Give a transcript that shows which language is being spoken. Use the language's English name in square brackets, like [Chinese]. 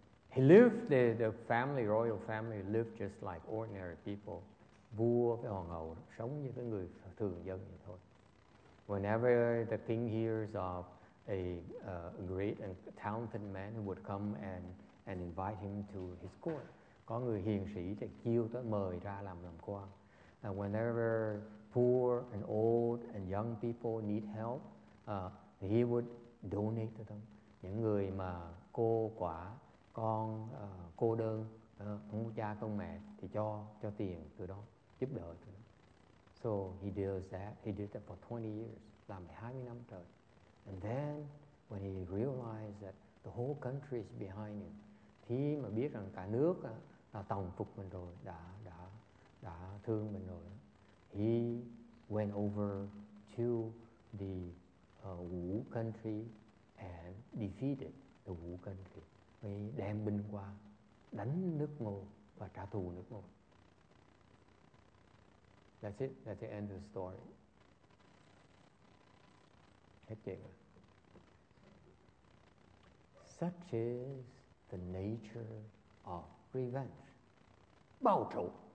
[English] He lived the family, royal family lived just like ordinary people. [Vietnamese] Vua với hoàng hậu sống như cái người thường dân vậy thôi. [English] Whenever the king hears of a great and talented man who would come and invite him to his court, [Vietnamese] có người hiền sĩ thì kêu tới mời ra làm quan. [English] And whenever poor and old and young people need help, he would donate to them. [Vietnamese] Những người mà cô quả, con cô đơn, không có cha không mẹ thì cho tiền từ đó, giúp đỡ từ đó. [English] So he does that. He did that for 20 years, [Vietnamese] làm 20 năm trời. [English] And then when he realized that the whole country is behind him, [Vietnamese] thì mà biết rằng cả nước đã tòng phục mình rồi, đã thương mình rồi. [English] He went over to the Wu country and defeated the Wu country. [Vietnamese] He đem binh qua đánh nước Ngô và trả thù nước Ngô. [English] That's it. That's the end of the story. [Vietnamese] Hết chuyện rồi. [English] Such is the nature of revenge. [Vietnamese] Báo thù.